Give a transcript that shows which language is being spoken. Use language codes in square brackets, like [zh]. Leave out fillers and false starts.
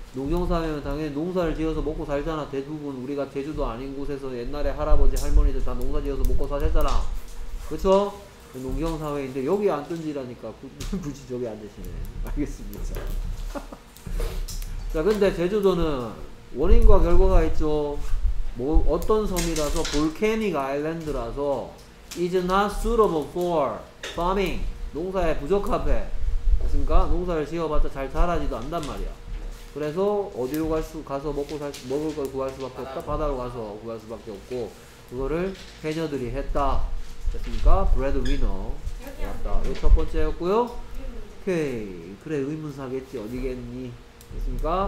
[ko] 농경사회면 당연히 농사를 지어서 먹고 살잖아. 대부분 우리가 제주도 아닌 곳에서 옛날에 할아버지 할머니들 다 농사 지어서 먹고 사셨잖아. 그쵸? 농경사회인데 여기 앉든지라니까. 굳이 저기 앉으시네. 알겠습니다. 자, 근데 제주도는 원인과 결과가 있죠. 뭐 어떤 섬이라서, [en] volcanic island라서 is not suitable for farming. [ko] 농사에 부적합해. 그렇습니까? 농사를 지어봤자 잘 자라지도 않단 말이야. 그래서 어디로 가서 먹을 걸 구할 수밖에 없다. 바다로 가서 구할 수밖에 없고, 그거를 해녀들이 했다. 됐습니까? 브레드 위너 왔다. 이게 첫 번째였고요. 오케이, 그래, 의문사겠지. 어디겠니? 됐습니까?